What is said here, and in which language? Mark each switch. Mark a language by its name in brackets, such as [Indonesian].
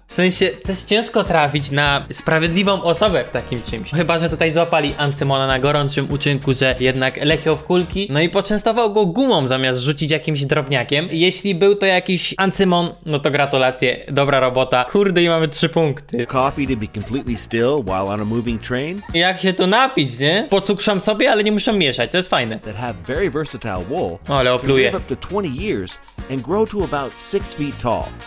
[Polish] W sensie, też ciężko trafić na sprawiedliwą osobę w takim czymś. Chyba, że tutaj złapali Ancymona na gorącym uczynku, że jednak leciał w kulki. No i poczęstował go gumą zamiast rzucić jakimś drobniakiem. Jeśli był to jakiś Ancymon, no to gratulacje, dobra robota. Kurde, i mamy 3 punkty. [English] Coffee to be completely still while on a moving train. [Polish] Jak się to napić, nie? Pocukrzam sobie, ale nie muszę mieszać, to jest fajne. [English] That have very versatile wool. [Polish] O, ale opluje. [English] Up to 20 years and grow to about 6 feet tall.